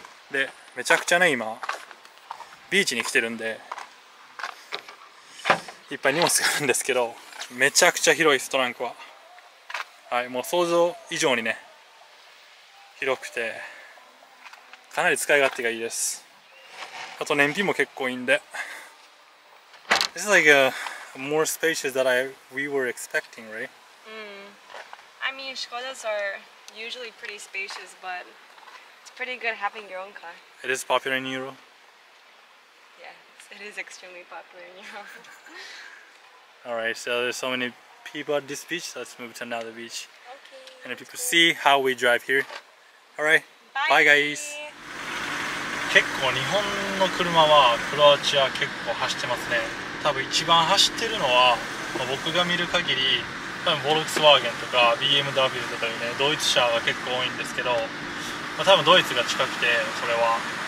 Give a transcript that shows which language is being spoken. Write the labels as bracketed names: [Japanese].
[Japanese] で、めちゃくちゃね、今、ビーチに来てるんで、いっぱい荷物があるんですけど、めちゃくちゃ広いです、トランクは。はい、もう想像以上にね、広くて、かなり使い勝手がいいです。あと燃費も結構いいんで。 [English] This is like a more spacious than we were expecting, right? I mean, Skodas are usually pretty spacious, but it's pretty good having your own car. It is popular in Europe? Yes, it is extremely popular in Europe. Alright, so there's so many people at this beach, let's move to another beach. Okay. And if people see how we drive here. Alright, bye guys! [Japanese] 結構日本の車はクロアチア結構走ってますね。多分一番走ってるのは、まあ、僕が見る限り、多分ボルクスワーゲンとか BMW とかいうね、ドイツ車が結構多いんですけど、まあ、多分ドイツが近くて、それは。